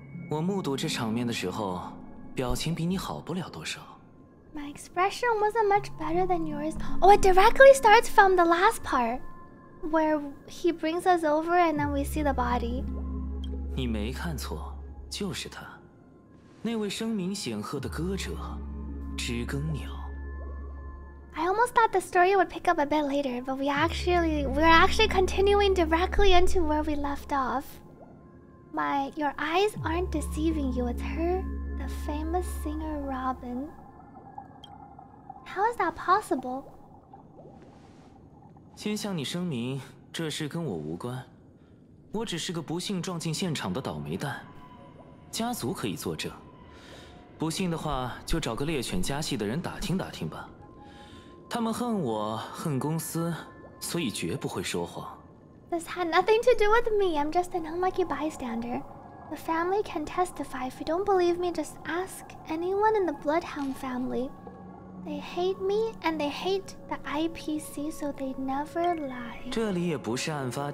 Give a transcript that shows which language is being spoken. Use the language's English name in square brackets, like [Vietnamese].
[Chinese] 我目睹这场面的时候, 表情比你好不了多少。 [English] My expression wasn't much better than yours. Oh, it directly starts from the last part, where he brings us over and then we see the body. [Chinese] 你没看错, 就是他。那位声名显赫的歌者, 知更鸟。 [English] I almost thought the story would pick up a bit later, but we're actually continuing directly into where we left off. Your eyes aren't deceiving you, it's her, the famous singer Robin. How is that possible? [Chinese] 先向你声明,这事跟我无关。我只是个不幸撞进现场的倒霉蛋。家族可以作证。不幸的话,就找个猎犬家系的人打听打听吧。他们恨我,恨公司,所以绝不会说谎。 [English] This had nothing to do with me, I'm just an unlucky bystander. The family can testify. If you don't believe me, just ask anyone in the Bloodhound family. They hate me, and they hate the IPC, so they never lie.